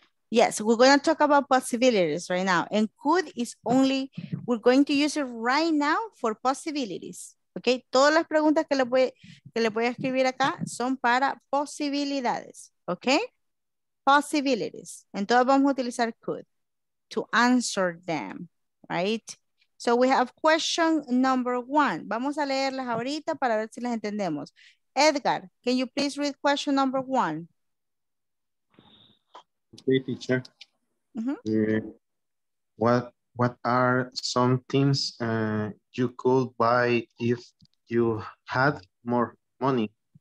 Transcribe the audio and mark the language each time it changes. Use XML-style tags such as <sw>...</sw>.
<en>Yes, we're going to talk about possibilities right now. And could is only, we're going to use it right now for possibilities.</en> <es>Okay, todas las preguntas que le voy a escribir acá son para posibilidades.</es> <en>Okay, possibilities.</en> <es>Entonces vamos a utilizar could</es> <en>to answer them, right? So we have question number one.</en> <es>Vamos a leerlas ahorita para ver si las entendemos.</es> <en>Edgar, can you please read question number one? Okay, teacher. Mm-hmm. What are some things you could buy if you had more money?</en>